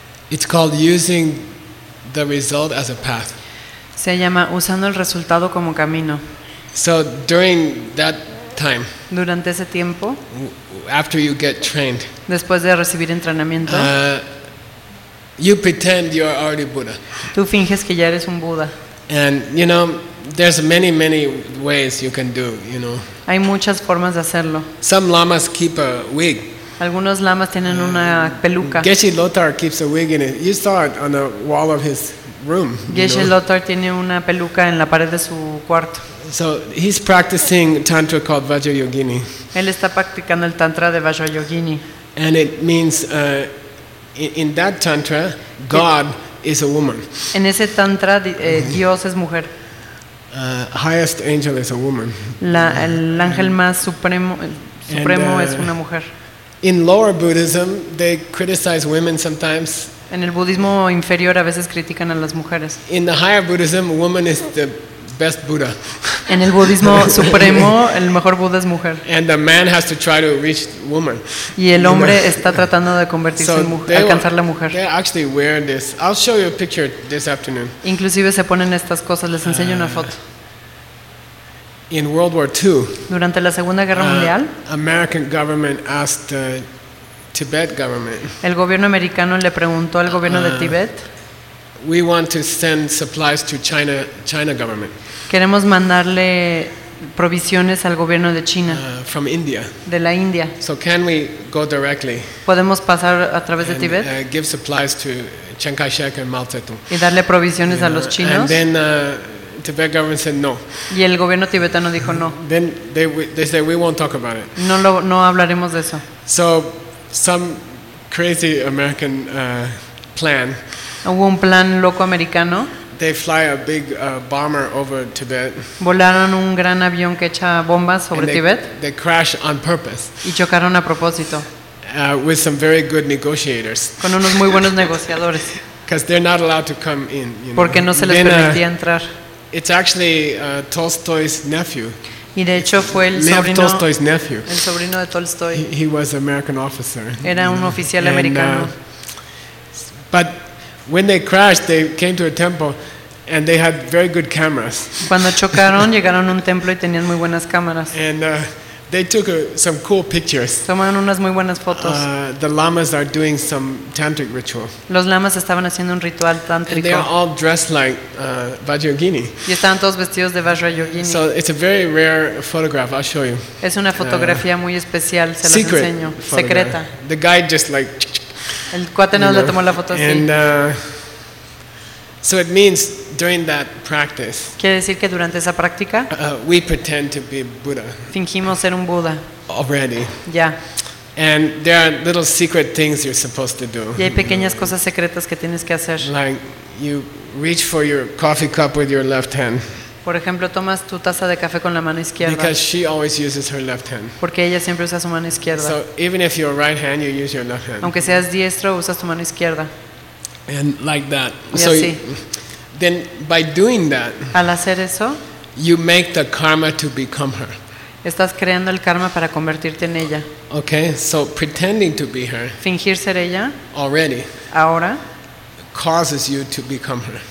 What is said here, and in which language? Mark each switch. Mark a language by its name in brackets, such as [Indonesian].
[English] it's called using the result as a path. [Spanish] Se llama usando el resultado como camino. [English] So during that time, [Spanish] durante ese tiempo, [English] after you get trained, [Spanish] después de recibir entrenamiento, [English] you pretend you are already Buddha. [Spanish] Tú finges que ya eres un Buddha. [English] And you know, there's many ways you can do, you know. [Spanish] Hay muchas formas de hacerlo. [English] Some lamas keep a wig. [Spanish] Algunos lamas tienen una peluca. [English] Geshe Lothar keeps a wig in it. You saw it on the wall of his room. [Spanish] Geshe Lothar tiene una peluca en la pared de su cuarto. [English] So he's practicing tantra called Vajrayogini. [Spanish] Él está practicando el tantra de Vajrayogini. [English] And it means in that tantra, God is a woman. [Spanish] En ese tantra, Dios es mujer. [English] Highest angel is a woman. [Spanish] El ángel más supremo es una mujer. [English] In lower Buddhism, they criticize women sometimes. [Spanish] En el budismo inferior a veces critican a las mujeres. [English] In the higher Buddhism, a woman is the best Buddha. [Spanish] En el budismo supremo, el mejor Buda es mujer. [English] And the man has to try to reach woman. [Spanish] Y el hombre está tratando de convertirse en mujer, alcanzar la mujer. [English] They actually wear this. I'll show you a picture this afternoon. [Spanish] Inclusive se ponen estas cosas. Les enseño una foto. [English] In World War II, [Spanish] durante la Segunda Guerra Mundial, [English] American government asked the Tibet government. [Spanish] El gobierno americano le preguntó al gobierno de Tibet. [English] We want to send supplies to China government. [Spanish] Queremos mandarle provisiones al gobierno de China. [English] From India. [Spanish] De la India. [English] So can we go directly? [Spanish] Podemos pasar a través de Tibet. [English] Give supplies to Chiang Kai-shek and Mao Zedong. [Spanish] Y darle provisiones a los chinos. [English] And then Tibet government said no. [Spanish] Y el gobierno tibetano dijo no. [English] Then they said we won't talk about it. [Spanish] No hablaremos de eso. [English] So some crazy American plan. [Spanish] Hubo un plan loco americano. [English] They fly a big bomber over Tibet. [Spanish] Volaron un gran avión que echa bombas sobre Tibet. [English] They crash on purpose. [Spanish] Y chocaron a propósito. [English] With some very good negotiators. [Spanish] Con unos muy buenos negociadores. [English] Because they're not allowed to come in. You know? [Spanish] Porque no se les permitía entrar. [English] It's actually Tolstoy's nephew. [Spanish] Y de hecho fue el sobrino. [English] Tolstoy's nephew. [Spanish] El sobrino de Tolstoy. [English] He was an American officer. [Spanish] Era un oficial americano. [English] But when they crashed, they came to a temple, and they had very good cameras. [Spanish] Cuando chocaron, llegaron a un templo y tenían muy buenas cámaras. [English] And they took some cool pictures. [Spanish] Tomaron unas muy buenas fotos. [English] The lamas are doing some tantric ritual. [Spanish] Los lamas estaban haciendo un ritual tántrico. [English] And they are all dressed like Vajrayogini. [Spanish] Y estaban todos vestidos de Vajrayogini. [English] So it's a very rare photograph. I'll show you. [Spanish] Es una fotografía muy especial. Se las [English] secret [Spanish] enseño. [English] Photograph. [Spanish] Secreta. [English] The guy just like. [Spanish] El cuate no le tomó la foto así. [English] And so it means during that practice. [Spanish] Quiere decir que durante esa práctica. [English] We pretend to be Buddha. [Spanish] Fingimos ser un Buda. [English] Already. [Spanish] Ya. [English] And there are little secret things you're supposed to do. [Spanish] Y hay pequeñas cosas secretas que tienes que hacer. [English] Like you reach for your coffee cup with your left hand. [Spanish] Por ejemplo, tomas tu taza de café con la mano izquierda. [English] Because she always uses her left hand. [Spanish] Porque ella siempre usa su mano izquierda. [English] So even if you're right hand, you use your left hand. [Spanish] Aunque seas diestro, usas tu mano izquierda. [English] And like that. [Spanish] Y así. [English] So then by doing that, [Spanish] al hacer eso, [English] you make the karma to become her. [Spanish] Estás creando el karma para convertirte en ella. [English] Okay, so pretending to be her. [Spanish] Fingir ser ella. [English] Already. [Spanish] Ahora. [English] Causes you to become her.